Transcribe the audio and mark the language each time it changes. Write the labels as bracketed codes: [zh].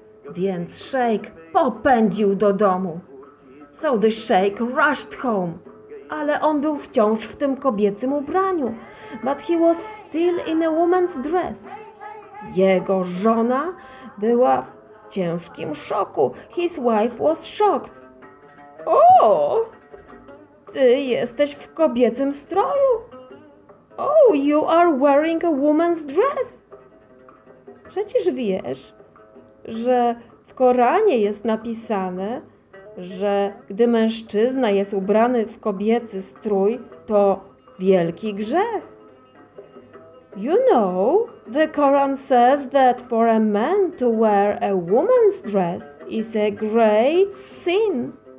[pl] Więc szejk popędził do domu. [en] So the sheikh rushed home. [pl] Ale on był wciąż w tym kobiecym ubraniu. [en] But he was still in a woman's dress. [pl] Jego żona była w ciężkim szoku. [en] His wife was shocked. O! [pl] Ty jesteś w kobiecym stroju. [en] Oh, you are wearing a woman's dress. [pl] Przecież wiesz, że w Koranie jest napisane, że gdy mężczyzna jest ubrany w kobiecy strój, to wielki grzech. [en] You know, the Quran says that for a man to wear a woman's dress is a great sin.